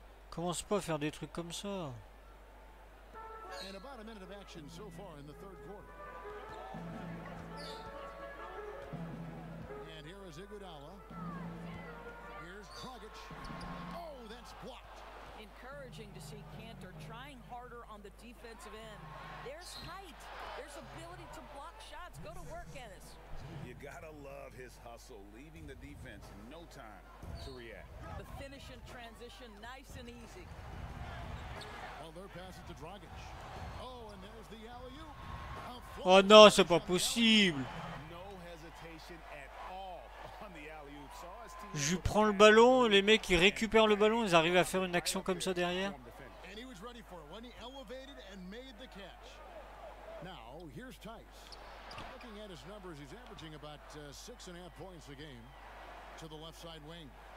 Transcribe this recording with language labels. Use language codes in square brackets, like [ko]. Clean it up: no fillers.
[fr] Commence pas à faire des trucs comme ça. [en] And about a minute of action so far in the third quarter. And here is Iguodala. Here's Krogic. Oh, that's blocked. Encouraging to see Kanter trying harder on the defensive end. There's height. There's ability to block shots. Go to work, Ennis. You gotta love his hustle, leaving the defense no time to react. The finish in transition, nice and easy. Well, they're passing to Dragic. Oh, and there's the alley-oop. [fr] Oh non, c'est pas possible. [en] No hesitation at all on the alley-oop. [fr] Je prends le ballon, les mecs ils récupèrent le ballon, ils arrivent à faire une action comme ça derrière. [en] And he was ready for it when he elevated and made the catch. Now, here's Tice. Looking at his numbers, he's averaging about 6.5 points a game to the left side wing.